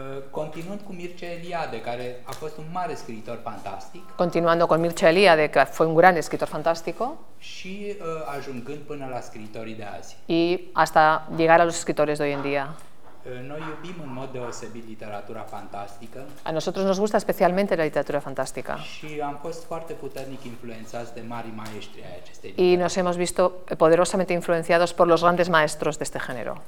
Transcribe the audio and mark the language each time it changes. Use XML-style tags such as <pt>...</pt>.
<ro>Continuând cu Mircea Eliade, care a fost un mare scriitor fantastic.</ro> <es>Continuando con Mircea Eliade, que fue un gran escritor fantástico.</es> <ro>Și ajungând până la scriitorii de azi.</ro> <es>Y hasta llegar a los escritores de hoy en día.</es> <ro>No iubim în mod deosebit literatura fantastică.</ro> <es>A nosotros nos gusta especialmente la literatura fantástica.</es> <ro>Și am fost foarte puternic influențați de mari maestri ai acestei literaturi.</ro> <es>Y nos hemos visto poderosamente influenciados por los grandes maestros de este género.</es>